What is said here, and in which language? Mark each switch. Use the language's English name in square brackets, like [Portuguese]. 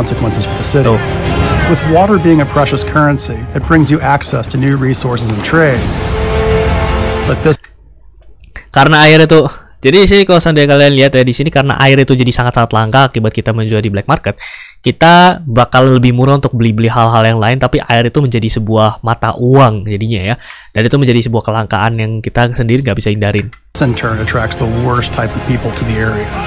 [English] With water being a precious currency, it brings you access to new resources and trade. But this [Indonesian] karena air itu, jadi sih kalau seandainya kalian lihat ya di sini karena air itu jadi sangat-sangat langka akibat kita menjual di black market, kita bakal lebih murah untuk beli-beli hal-hal yang lain, tapi air itu menjadi sebuah mata uang jadinya ya, dan itu menjadi sebuah kelangkaan yang kita sendiri nggak bisa hindarin. [English] Center attracts the worst type of people to the area.